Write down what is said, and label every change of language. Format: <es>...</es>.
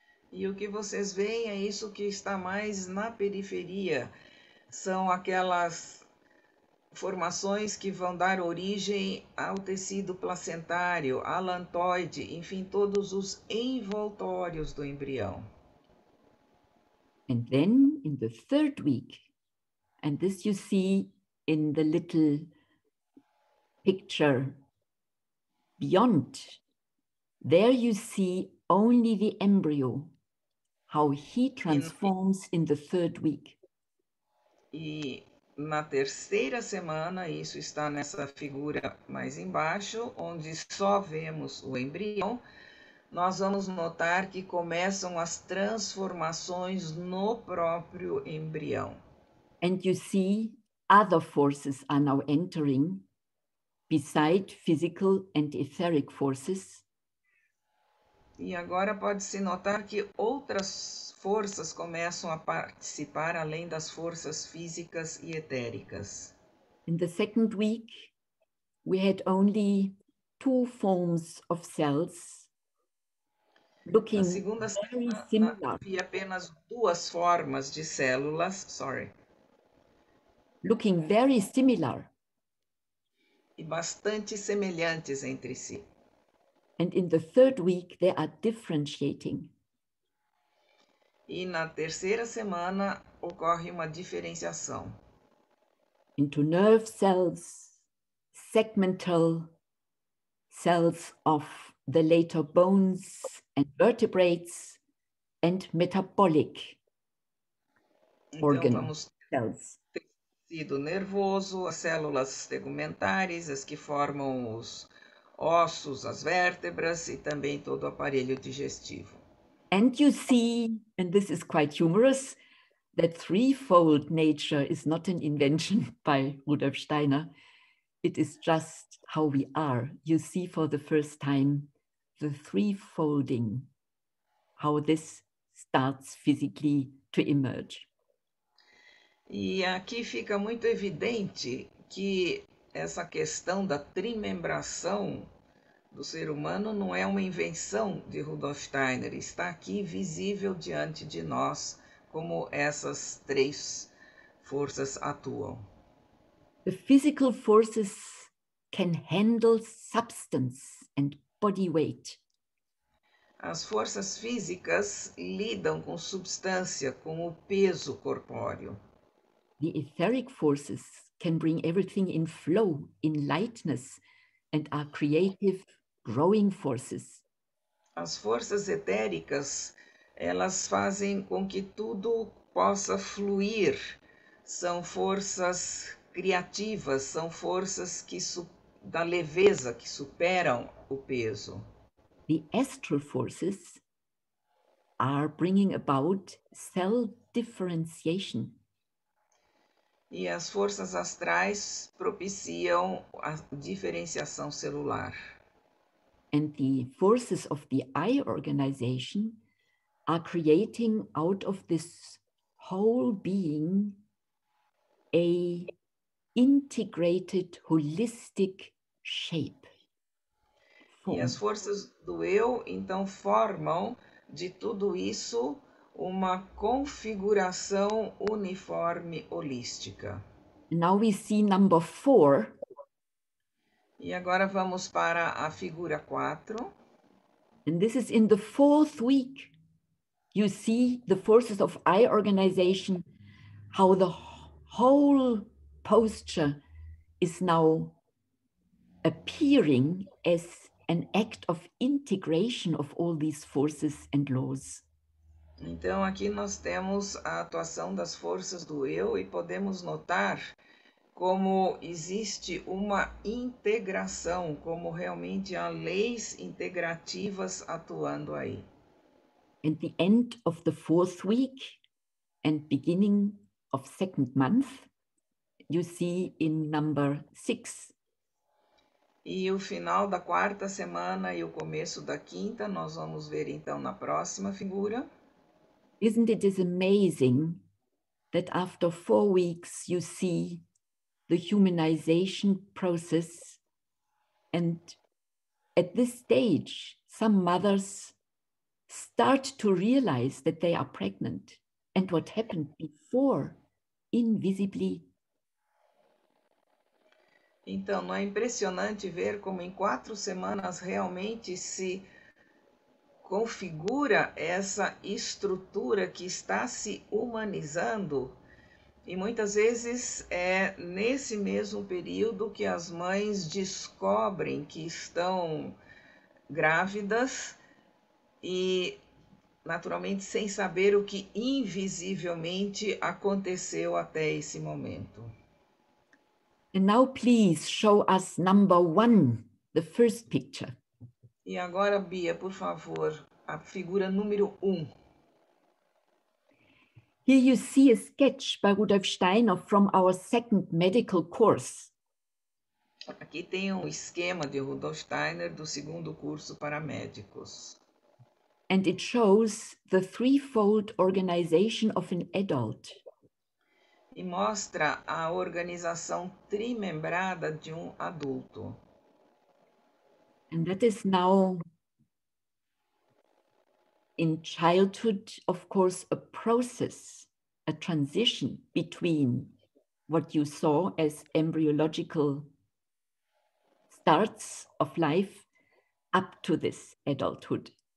<pt>E o que vocês veem é isso que está mais na periferia. São aquelas formações que vão dar origem ao tecido placentário, allantoide, enfim, todos os envoltórios do embrião.</pt> <en>And then in the third week, and this you see in the little picture beyond, there you see only the embryo, how he transforms in the third week.</en> <pt>E na terceira semana, isso está nessa figura mais embaixo, onde só vemos o embrião, nós vamos notar que começam as transformações no próprio embrião.</pt> <en>And you see, other forces are now entering, beside physical and etheric forces.</en> <pt>E agora pode-se notar que outras forças começam a participar além das forças físicas e etéricas.</pt> <en>In the second week, we had only two forms of cells looking very similar.</en> <pt>Havia apenas duas formas de células,</pt> <en>Looking very similar.</en> <pt>E bastante semelhantes entre si.</pt> <en>And in the third week, they are differentiating.</en> <pt>E na terceira semana, ocorre uma diferenciação.</pt> <en>Into nerve cells, segmental cells of the later bones and vertebrates, and metabolic</en> <pt>então,</pt> <en>organ</en> <pt>vamos</pt> <en>cells.</en> <pt>Tecido nervoso, as células tegumentares, as que formam os ossos, as vértebras e também todo o aparelho digestivo.</pt> <en>And you see, and this is quite humorous, that threefold nature is not an invention by Rudolf Steiner. It is just how we are. You see for the first time the threefolding, how this starts physically to emerge.</en> <pt>E aqui fica muito evidente que essa questão da trimembração do ser humano não é uma invenção de Rudolf Steiner, está aqui visível diante de nós como essas três forças atuam.</pt> <en>The physical forces can handle substance and body weight.</en> <pt>As forças físicas lidam com substância, com o peso corpóreo.</pt> <en>The etheric forces can bring everything in flow, in lightness, and are creative, growing forces.</en> <pt>As forças etéricas, elas fazem com que tudo possa fluir. São forças criativas, são forças que da leveza, que superam o peso.</pt> <en>The astral forces are bringing about cell differentiation.</en> <pt>E as forças astrais propiciam a diferenciação celular.</pt> <en>And the forces of the eye organization are creating out of this whole being a integrated, holistic shape.</en> <pt>E as forças do eu, então, formam de tudo isso uma configuração uniforme holística.</pt> <en>Now we see number 4.</en> <pt>E agora vamos para a figura 4.</pt> <en>And this is in the fourth week. You see the forces of eye organization, how the whole posture is now appearing as an act of integration of all these forces and laws.</en> <pt>Então aqui nós temos a atuação das forças do eu e podemos notar como existe uma integração, como realmente há leis integrativas atuando aí.</pt> <en>At the end of the fourth week and beginning of second month, you see in number 6.</en> <pt>E o final da quarta semana e o começo da quinta, nós vamos ver então na próxima figura.</pt> <en>Isn't it amazing that after 4 weeks you see the humanization process, and at this stage some mothers start to realize that they are pregnant and what happened before invisibly?</en> <pt>Então, não é impressionante ver como em 4 semanas realmente se configura essa estrutura que está se humanizando? E muitas vezes é nesse mesmo período que as mães descobrem que estão grávidas e, naturalmente, sem saber o que invisivelmente aconteceu até esse momento.</pt> <en>And now please show us number 1, the first picture.</en> <pt>E agora, Bia, por favor, a figura número 1.</pt> <en>Here you see a sketch by Rudolf Steiner from our second medical course.</en> <pt>Aqui tem um esquema de Rudolf Steiner do segundo curso para médicos.</pt> <en>And it shows the threefold organization of an adult.</en> <pt>E mostra a organização trimembrada de um adulto.</pt> <en>And that is now in childhood, of course, a process, a transition between what you saw as embryological starts of life up to this adulthood.</en>